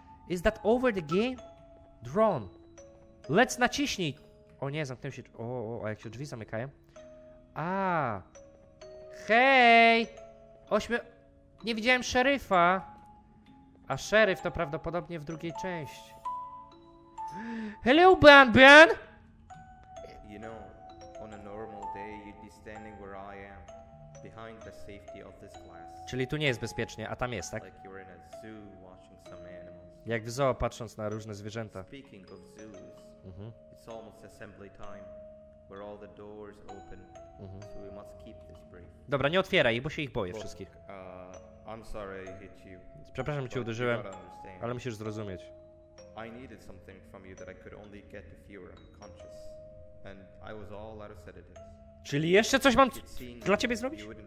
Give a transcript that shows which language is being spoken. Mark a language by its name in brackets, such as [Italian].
[English] Is that over the game? Drone. Let's [Polish] naciśnij. O nie, zamknęły się. O, a jak się drzwi zamykają? A. Hej! Nie widziałem szeryfa. A szeryf to prawdopodobnie w drugiej części. [English] Hello, Ben, Ben! You know, on a normal day you'd be standing where I am, behind the safety of this glass. [Polish] Czyli tu nie jest bezpiecznie, a tam jest, tak? [English] Like you're in a zoo watching some animals. [Polish] Jak w zoo, patrząc na różne zwierzęta. [English] Speaking of zoos, it's almost assembly time, where all the doors open, so we must keep this brief. [Polish] Dobra, nie otwieraj ich, bo się ich boję wszystkich. [English] I'm sorry I hit you. [Polish] Przepraszam, że cię uderzyłem, ale musisz zrozumieć. [English] I needed something from you that I could only get if you were unconscious. And I was all out of sedatives. [Polish] Czyli jeszcze coś mam dla ciebie zrobić?